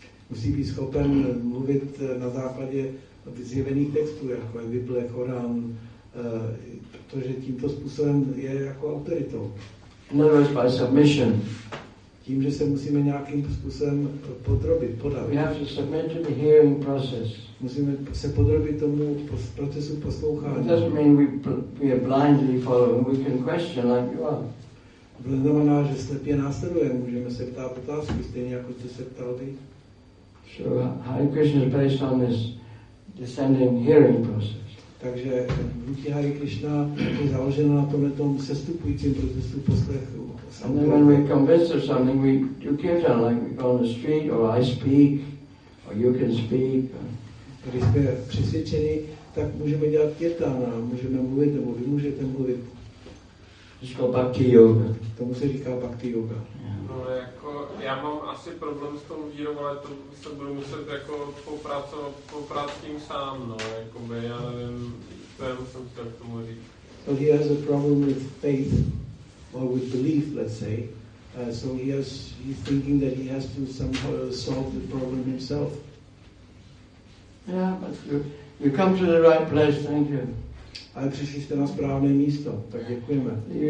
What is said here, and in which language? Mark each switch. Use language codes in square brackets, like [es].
[cs] Musí být schopen mluvit na základě zjevených textů, jako je Bible, Korán, protože tímto způsobem je jako autoritou. [en] In other words, by submission. [cs] Tím, že se musíme nějakým způsobem podrobit, podat. [en] We have to submit to the hearing process. [cs] Musíme se podrobit tomu procesu poslouchání. [en] It doesn't mean we are blindly following. We can question like you are. [cs] To znamená, že slepě následujeme. Můžeme se ptát otázky, stejně jako jste se ptal vy. [en] So Hare Krishna is based on this descending hearing process. [cs] Takže Bhuti Hare Krishna je založeno na tomhle tom sestupujícím procesu poslechu. [en] And then when we're convinced of something, we do kirtan, like we go on the street, or I speak, or you can speak. [cs] Když jsme přesvědčeni, tak můžeme dělat kirtan a můžeme mluvit, nebo vy můžete mluvit. Když říkal Bhakti Yoga. Tomu se říká Bhakti Yoga. No jako, já mám asi problém s tou vírou, ale to se budu muset jako poprát s tím sám, no, jakoby, já nevím, to jsem chtěl k tomu říct. [en] So he has a problem with faith, or with belief, let's say. So he's thinking that he has to somehow solve the problem himself. Yeah, but you come to the right place, thank you. [cs] Ale přišli jste na správné místo, tak děkujeme.